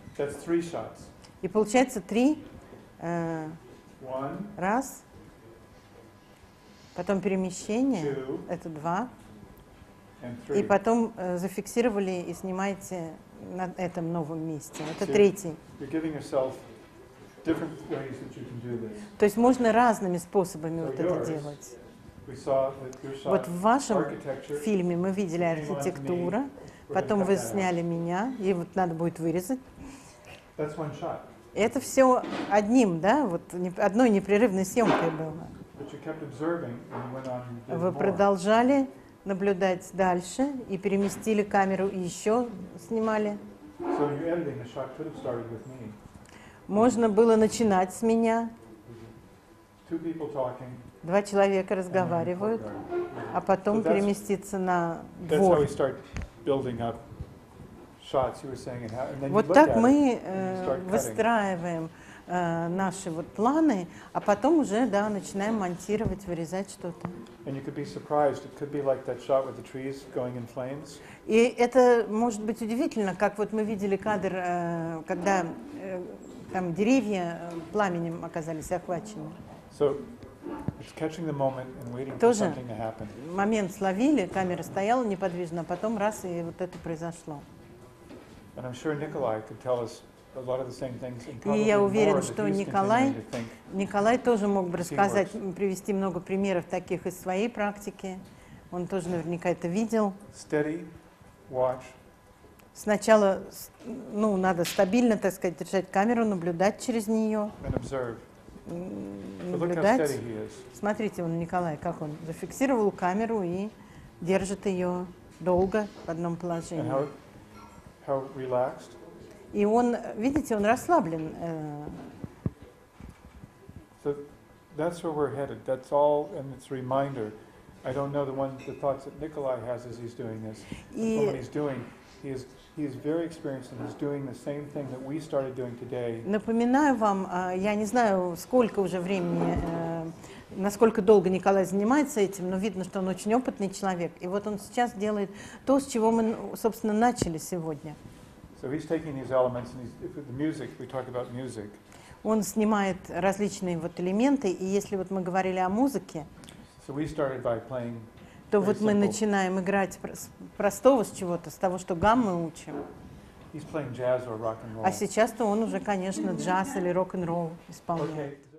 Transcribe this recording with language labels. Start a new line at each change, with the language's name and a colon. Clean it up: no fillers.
English: That's three shots.
Russian: И получается три.
English: One,
Russian: раз. Потом перемещение.
English: Two,
Russian: это два.
English: And three.
Russian: И потом зафиксировали и снимаете на этом новом месте. Это третий.
English: You're giving yourself different ways that you can do this.
Russian: То есть можно разными способами вот это делать. Вот в вашем фильме мы видели архитектуру, потом вы сняли меня, и вот надо будет вырезать.
English: That's one shot.
Russian: Это все одним, да, вот одной непрерывной съемкой было.
English: But you kept observing and went on and did more.
Russian: Вы продолжали наблюдать дальше и переместили камеру и еще снимали.
English: So in your editing, the shot could have started with me.
Russian: Можно было начинать с меня.
English: Two people talking,
Russian: два человека разговаривают,
English: and then the court guard.
Russian: А потом so переместиться на двор.
English: That's how we start building up shots, you were saying, and then you look at it.
Russian: Вот так мы выстраиваем наши вот планы, а потом уже, да, начинаем монтировать, вырезать что-то.
English: And you could be surprised. It could be like that shot with the trees going in flames.
Russian: И это может быть удивительно, как вот мы видели кадр, когда там деревья пламенем оказались охвачены.
English: So it's catching the moment and waiting for something to happen.
Russian: Тоже момент словили, камера стояла неподвижно, а потом раз, и вот это произошло.
English: And I'm sure Николай could tell us a lot of the same things, and probably
Russian: и я уверен,
English: more,
Russian: что Николай тоже мог бы рассказать, привести много примеров таких из своей практики. Он тоже наверняка это видел.
English: Steady, watch.
Russian: Сначала, ну, надо стабильно, так сказать, держать камеру, наблюдать через нее.
English: And observe.
Russian: Наблюдать. Смотрите, вон Николай, как он зафиксировал камеру и держит ее долго в одном положении.
English: And how relaxed.
Russian: И он, видите, он расслаблен.
English: So that's where we're headed. That's all, and it's a reminder. I don't know the thoughts that Nikolai has as he's doing this. What he's doing, he is very experienced, and he's doing the same thing that we started doing today.
Russian: Напоминаю вам, я не знаю, сколько уже времени, насколько долго Николай занимается этим, но видно, что он очень опытный человек. И вот он сейчас делает то, с чего мы, собственно, начали сегодня.
English: So he's taking these elements and the music, we talk about music.
Russian: Он снимает различные вот элементы, и если вот мы говорили о музыке,
English: so we started by playing
Russian: то вот мы начинаем играть с простого, с чего-то, с того, что гаммы учим.
English: He's playing jazz or rock and roll.
Russian: А сейчас-то он уже, конечно, джаз или рок-н-ролл исполняет.